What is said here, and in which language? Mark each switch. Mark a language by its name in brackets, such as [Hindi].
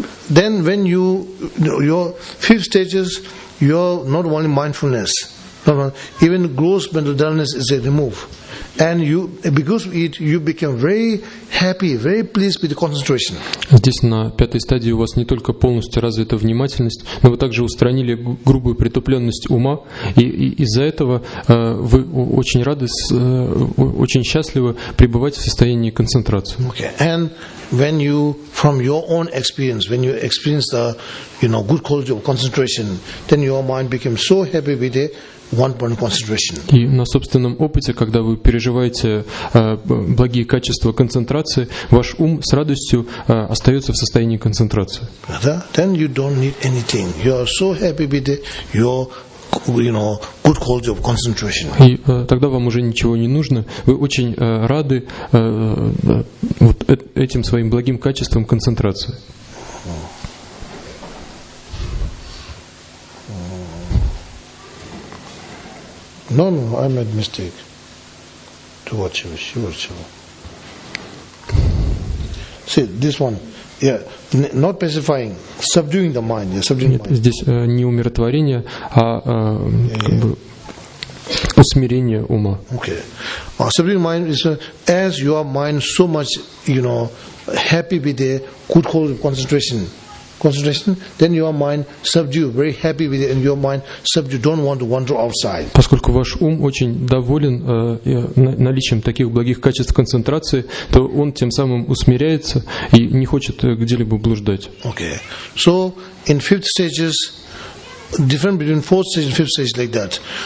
[English] Then when you your 5th stages, you're not only mindfulness, even gross mental dullness is removed, and you because of it you become very happy, very pleased with the concentration. [Russian] Здесь на 5-й стадии у вас не только полностью развита внимательность, но вы также устранили грубую притупленность ума, и из-за этого вы очень рады, очень счастливы пребывать в состоянии концентрации. [English] Okay. And when you from your own experience, when you experience the, you know, good quality of concentration, then your mind becomes so happy with it. One-point concentration. [Russian] И на собственном опыте, когда вы переживаете благие качества концентрации, ваш ум с радостью остается в состоянии концентрации. [English] Then you don't need anything. You are so happy with your, you know, good quality of concentration. [Russian] И тогда вам уже ничего не нужно. Вы очень рады вот этим своим благим качествам концентрации. [English] No, I made mistake. Tuvachiva. See, this one. Yeah, not pacifying, subduing the mind. Yeah, subduing [Russian] Нет, [English] mind. [Russian] Здесь не умиротворение, а усмирение ума. [English] Okay. Subduing mind is as your mind so much, you know, happy with a good hold of concentration. Concentration, then your mind subdued, very happy with it, and your mind subdued, don't want to wander outside. [Russian] Поскольку ваш ум очень доволен наличием таких благих качеств концентрации, то он тем самым усмиряется и не хочет где-либо блуждать. [English] Okay. So in fifth stages, different between fourth stage and fifth stage like that.